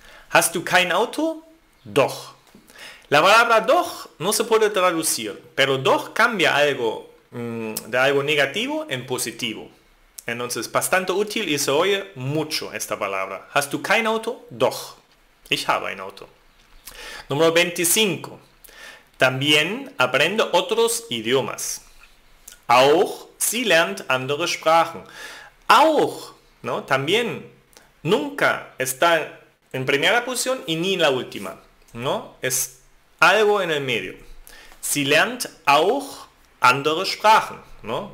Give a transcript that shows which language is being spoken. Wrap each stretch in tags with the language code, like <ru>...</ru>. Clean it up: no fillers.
<de>¿Hast du kein Auto? Doch.</de> <es>La palabra doch no se puede traducir, pero doch cambia algo de algo negativo en positivo. Entonces, bastante útil y se oye mucho esta palabra.</es> <de>¿Hast du kein Auto? Doch. Ich habe ein Auto.</de> <es>Número 25. También aprende otros idiomas.</es> <de>Auch, sie lernt andere Sprachen. Auch,</de> <es>¿no? También, nunca está en primera posición y ni en la última, ¿no? Es algo en el medio.</es> <de>Sie lernt auch andere Sprachen,</de> <es>¿no?</es>